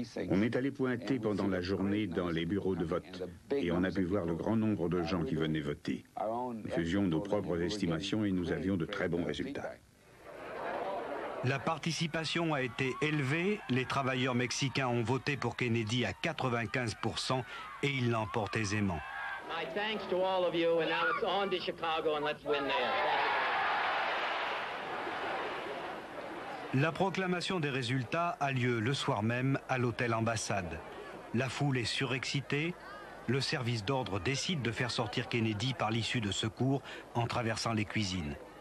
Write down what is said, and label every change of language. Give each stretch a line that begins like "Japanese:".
French: On est allé pointer pendant la journée dans les bureaux de vote, et on a pu voir le grand nombre de gens qui venaient voter. Nous faisions nos propres estimations et nous avions de très bons résultats. La participation a été élevée, les travailleurs mexicains ont voté pour Kennedy à 95% et il l'emporte aisément.
English: My thanks to all of you, and now it's on to Chicago and let's win there.
French: La proclamation des résultats a lieu le soir même à l'hôtel ambassade. La foule est surexcitée, le service d'ordre décide de faire sortir Kennedy par l'issue de secours en traversant les cuisines.